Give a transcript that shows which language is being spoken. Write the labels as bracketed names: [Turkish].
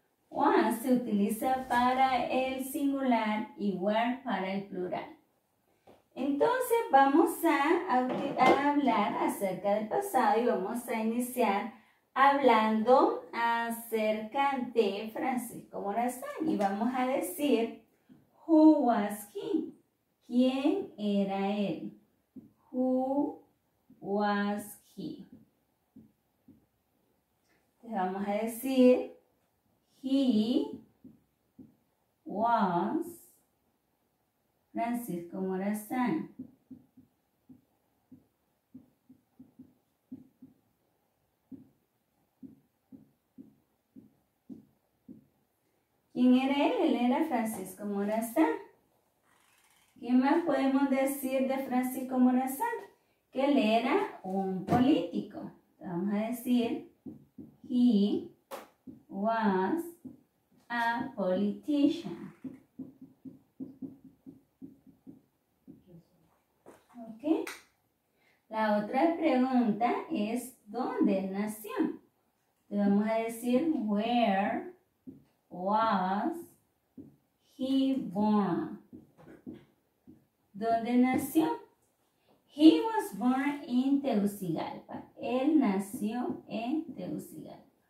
[Spanish] Was se utiliza para el singular y were para el plural. Entonces vamos a hablar acerca del pasado y vamos a iniciar hablando acerca de Francisco Morazán. Y vamos a decir, [English] who was he? [Spanish] ¿Quién era él? [English] Who was he? [Spanish] Le vamos a decir, [English] he was Francisco Morazán. [Spanish] ¿Quién era él? Él era Francisco Morazán. ¿Qué más podemos decir de Francisco Morazán? Que él era un político. Vamos a decir, [English] he was a politician. [Spanish] ¿Ok? La otra pregunta es, ¿dónde nació? Le vamos a decir, [English] where was he born? [Spanish] ¿Dónde nació? [English] He was born in Tegucigalpa. [Spanish] Él nació en Tegucigalpa.